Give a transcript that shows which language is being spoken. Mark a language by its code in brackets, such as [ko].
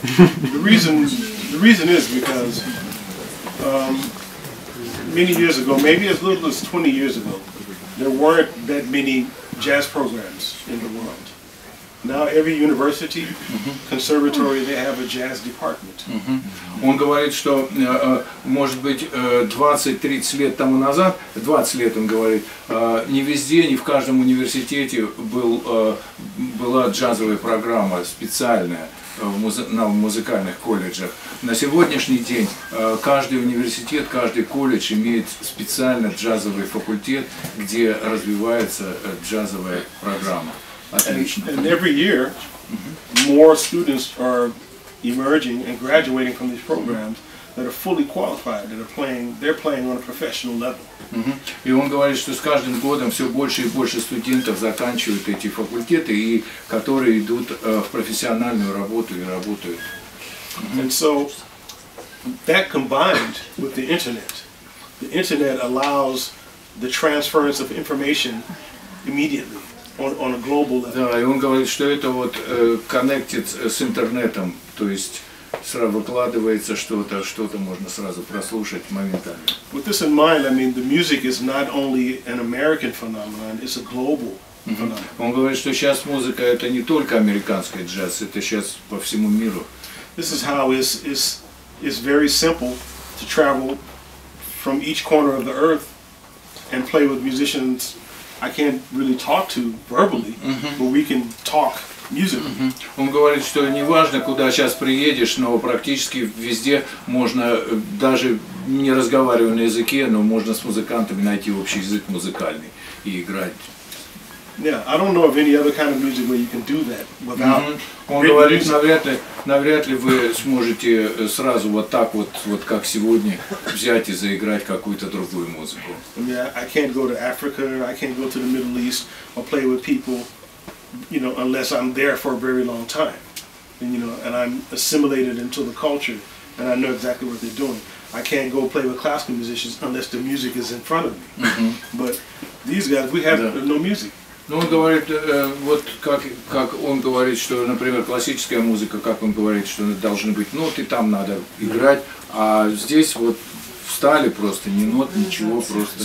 [en] The reason is because many years ago, maybe as little as 20 years ago, there weren't that many jazz programs in the world. Now every university, conservatory, they have a jazz department. [ru] Он говорит, что, может быть, 20-30 лет тому назад, 20 лет, он говорит, не везде, не в каждом университете была джазовая программа специальная в музыкальных колледжах. На сегодняшний день каждый университет, каждый колледж имеет специально джазовый факультет, где развивается джазовая программа. Отлично. [en] And every year, more students are emerging and graduating from these programs that are fully qualified, that are playing, they're playing on a professional level. [ru] И он говорит, что с каждым годом все больше и больше студентов заканчивают эти факультеты, и которые идут в профессиональную работу и работают. [en] And so, that combined with the internet allows the transference of information immediately. On a global level. [ru] Да, и он говорит, что это вот connected с интернетом, то есть сразу выкладывается что-то, что-то можно сразу прослушать моментально. [en] With this in mind, I mean, the music is not only an American phenomenon, it's a global phenomenon. [ru] Он говорит, что сейчас музыка это не только американский джаз, это сейчас по всему миру. [en] This is how it's very simple to travel from each corner of the earth and play with musicians I can't really talk to verbally, but we can talk musically. [ru] Он говорит, что не важно, куда сейчас приедешь, но практически везде можно, даже не разговаривая на языке, но можно с музыкантами найти общий язык музыкальный и играть. [en] Yeah, I don't know of any other kind of music where you can do that without. [ru] Он говорит, навряд ли вы сможете сразу вот так вот как сегодня взять и заиграть какую-то другую музыку. [en] I can't go to Africa, I can't go to the Middle East or play with people, you know, unless I'm there for a very long time. And you know, and I'm assimilated into the culture and I know exactly what they're doing. I can't go play with classical musicians unless the music is in front of me. But these guys, we have no music. [ru] Ну, он говорит, вот как он говорит, что, например, классическая музыка, как он говорит, что должны быть ноты, там надо играть, а здесь вот встали просто, ни нот, ничего, просто...